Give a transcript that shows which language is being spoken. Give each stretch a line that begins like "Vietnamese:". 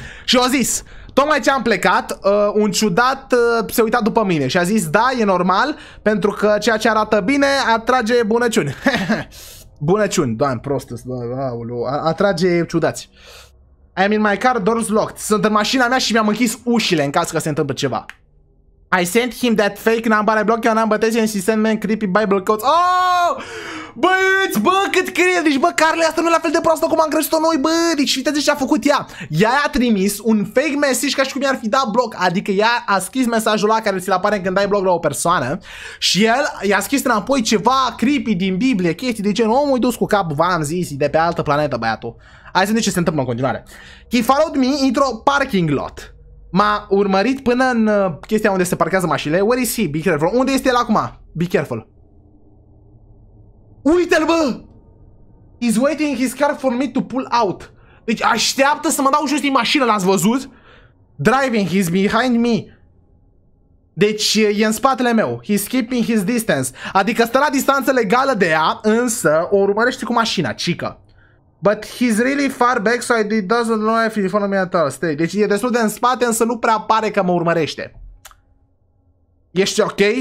Romanian: Și a zis, tocmai ce am plecat, un ciudat se uita după mine. Și a zis, da, e normal, pentru că ceea ce arată bine atrage bunăciuni. Bunăciuni, doamne, prostă-s, aulu, atrage ciudați.
English: I am in my car, doors locked.
Romanian: Sunt în mașina mea și mi-am închis ușile în caz că se întâmplă ceva.
English: I sent him that fake number, I block your number, text and send me creepy bible codes. Oh!
Romanian: Băieți, bă, cât crede, deci bă, Carly, asta nu e la fel de proastă cum am crezut-o noi, bă, deci uite ce a făcut ea. Ea a trimis un fake message ca și cum i-ar fi dat block, adică ea a scris mesajul ăla care ți-l apare când dai block la o persoană și el i-a scris înapoi ceva creepy din Biblie, chestii de genul, omul e dus cu cap, v-am zis, de pe altă planetă, băiatul. Hai să vedem ce se întâmplă în continuare.
English: He followed me
Romanian: într-o parking lot. M-a urmărit până în chestia unde se parchează mașinile.
English: Where is he? Be careful.
Romanian: Unde este el acum?
English: Be careful.
Romanian: Uite-l, bă!
English: He's waiting his car for me to pull out.
Romanian: Deci așteaptă să mă dau jos din mașină, l-ați văzut?
English: Driving, he's behind me.
Romanian: Deci e în spatele meu.
English: He's keeping his distance.
Romanian: Adică stă la distanță legală de ea, însă o urmărește cu mașina, cică.
English: But he's really far back, so he doesn't know if he follows me at all. Stay.
Romanian: Deci e destul de în spate, însă nu prea pare că mă urmărește. Ești ok?